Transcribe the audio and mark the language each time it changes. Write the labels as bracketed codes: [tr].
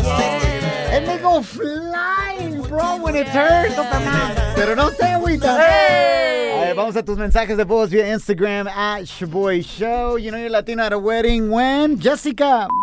[en] And they go flying, bro, when it turns. [es] Pero no sé, agüita. Vamos a tus mensajes de voz via Instagram at Shaboy Show. [en] You know you're Latino at a wedding when, Jessica?